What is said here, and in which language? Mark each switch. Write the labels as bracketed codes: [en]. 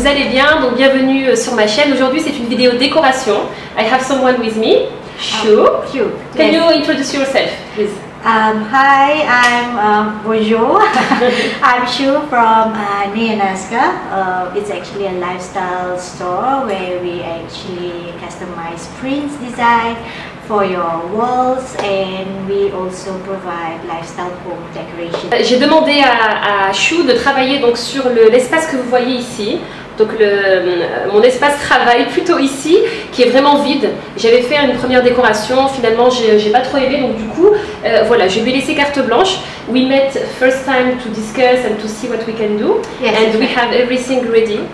[fr] bien, donc bienvenue sur ma chaîne. Aujourd'hui, c'est une vidéo décoration. [en] I have someone with me. Shu. Can you introduce yourself, please? Hi, I'm bonjour. I'm Shu from Neonazca. It's actually a lifestyle store where we actually customize prints design for your walls, and we also provide lifestyle home decoration. [fr] J'ai demandé à Shu de travailler donc sur l'espace que vous voyez ici. Donc mon espace travaille plutôt ici, qui est vraiment vide. J'avais fait une première décoration, finalement j'ai pas trop aimé, donc du coup, voilà, je vais laisser carte blanche. [en] We met first time to discuss and to see what we can do. Yes, and we have everything ready.